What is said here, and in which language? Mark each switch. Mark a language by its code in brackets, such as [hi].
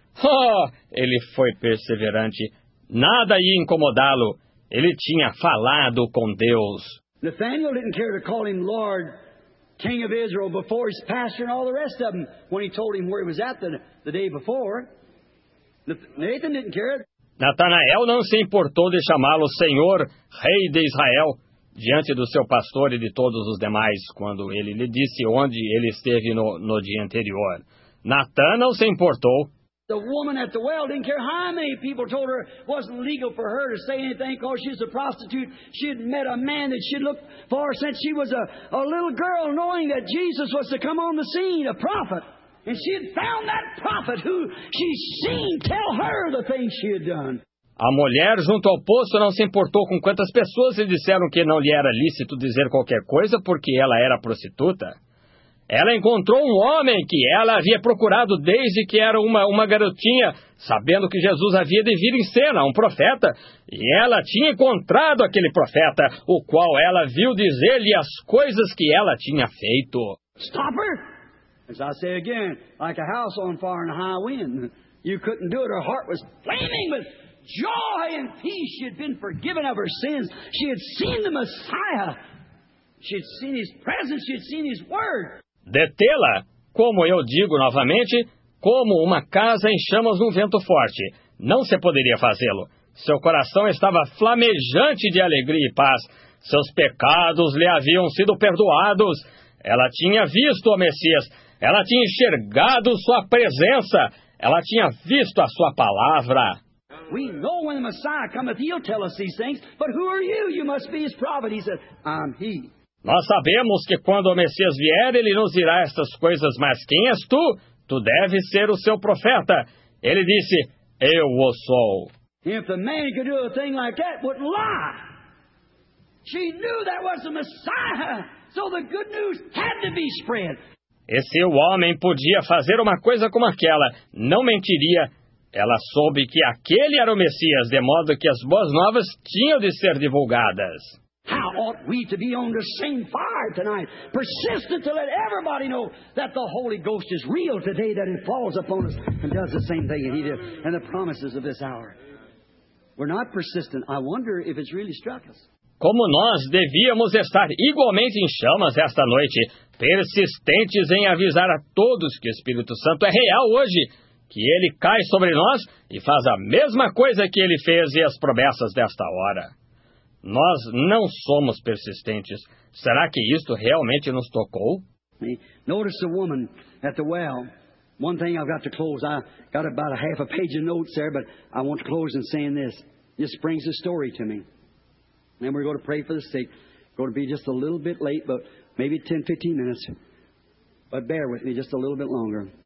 [pt] Oh, ele foi perseverante. Nada ia incomodá-lo. Ele tinha falado com Deus. [en] Nathanael didn't care to call him Lord, King of Israel, before his pastor and all the rest of them, when he told him where he was at the day before. Nathan didn't care. [pt] Natanael não se importou de chamá-lo Senhor, Rei de Israel, diante do seu pastor e de todos os demais, quando ele lhe disse onde ele esteve no dia anterior. Natan não se importou. [en] The woman at the well didn't care how many people told her it wasn't legal for her to say anything because she's a prostitute. She had met a man that she'd looked for since she was a little girl, knowing that Jesus was to come on the scene, a prophet. And she had found that prophet who she seen tell her the things she had done. [pt] A mulher junto ao poço não se importou com quantas pessoas lhe disseram que não lhe era lícito dizer qualquer coisa porque ela era prostituta. Ela encontrou um homem que ela havia procurado desde que era uma garotinha, sabendo que Jesus havia de vir em cena, um profeta. E ela tinha encontrado aquele profeta, o qual ela viu dizer-lhe as coisas que ela tinha feito. [en] Stop her! As I say again, like a house on fire in a high wind. You couldn't do it. Her heart was flaming with joy and peace. She had been forgiven of her sins. She had seen the Messiah. She had seen His presence. She had seen His word. [pt] Detê-la, como eu digo novamente, como uma casa em chamas num vento forte. Não se poderia fazê-lo. Seu coração estava flamejante de alegria e paz. Seus pecados lhe haviam sido perdoados. Ela tinha visto o Messias. Ela tinha enxergado sua presença. Ela tinha visto a sua palavra. [en] We know when the Messiah cometh, he'll tell us these things. But who are you? You must be his prophet. He said, I'm he. [pt] Nós sabemos que quando o Messias vier, ele nos dirá estas coisas, mas quem és tu? Tu deves ser o seu profeta. Ele disse, eu o sou. [en] If the man could do a thing like that, would lie. She knew that was the Messiah, so the good news had to be spread. [pt] E se o homem podia fazer uma coisa como aquela, não mentiria. Ela soube que aquele era o Messias, de modo que as boas novas tinham de ser divulgadas. [en] How ought we to be on the same fire tonight, persistent to let everybody know that the Holy Ghost is real today, that it falls upon us and does the same thing that He did, and the promises of this hour. We're not persistent. I wonder if it's really struck us. [pt] Como nós devíamos estar igualmente em chamas esta noite, persistentes em avisar a todos que o Espírito Santo é real hoje, que Ele cai sobre nós e faz a mesma coisa que Ele fez e as promessas desta hora. Nós não somos persistentes. Será que isto realmente nos tocou? [en] Notice the woman at the well. One thing I've got to close. I got about a half a page of notes there, but I want to close in saying this. This brings a story to me. Then we're going to pray for the sick. We're going to be just a little bit late, but maybe 10, 15 minutes. But bear with me just a little bit longer.